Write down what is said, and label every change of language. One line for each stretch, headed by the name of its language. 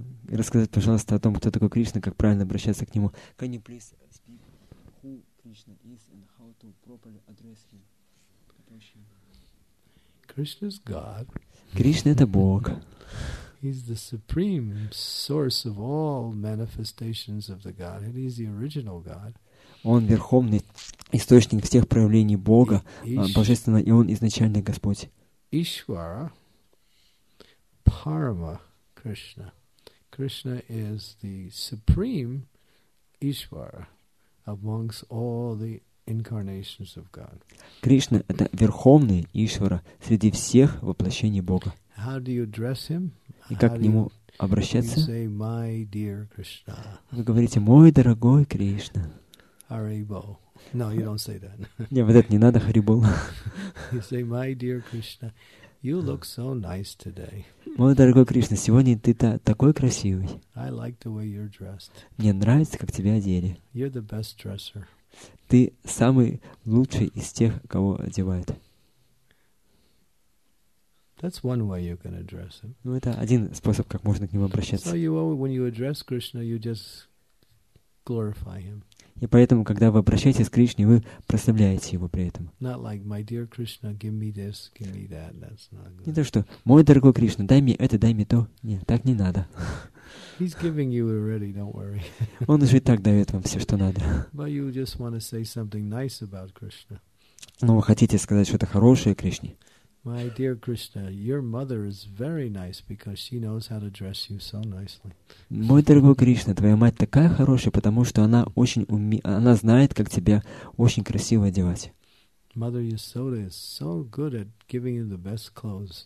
Russian: Рассказать, пожалуйста, о том, кто такой Кришна, как правильно обращаться к нему.
English: Can you please speak who Krishna is and how to properly address him? Krishna is God.
Russian: Кришна — это Бог.
English: He's the supreme source of all manifestations of the Godhead. He's the original God.
Russian: Он верховный источник всех проявлений Бога, божественно, и он изначальный Господь.
English: Ishvara, Parama. Krishna is the supreme Ishvara amongst all the incarnations of God.
Russian: Кришна — это верховный Ишвара среди всех воплощений Бога.
English: How do you address him?
Russian: И как к нему обращаться?
English: You say, my dear Krishna.
Russian: Вы говорите: мой дорогой Кришна.
English: Haribo. No, you don't say that.
Russian: Не, вот это не надо, Харибол.
English: You say, my dear Krishna. You look so nice today.
Russian: Мой дорогой Кришна, сегодня ты такой красивый.
English: I like the way you're dressed.
Russian: Мне нравится, как тебя одели.
English: You're the best dresser.
Russian: Ты самый лучший из тех, кого одевают.
English: That's one way you can address him.
Russian: Ну, это один способ, как можно к нему обращаться.
English: So you always, when you address Krishna, you just glorify him.
Russian: И поэтому, когда вы обращаетесь к Кришне, вы прославляете его при этом.
English: Not like, my dear Krishna, give me this, give me that. That's not good.
Russian: Не то, что: мой дорогой Кришна, дай мне это, дай мне то. Нет, так не надо.
English: He's giving you already, don't worry.
Russian: Он уже и так дает вам все, что надо.
English: But you just want to say something nice about Krishna.
Russian: Но вы хотите сказать что-то хорошее о Кришне.
English: My dear Krishna, your mother is very nice because she knows how to dress you so nicely.
Russian: Мой дорогой Кришна, твоя мать такая хорошая, потому что она очень она знает, как тебя очень красиво одевать.
English: Mother Yasoda is so good at giving you the best clothes.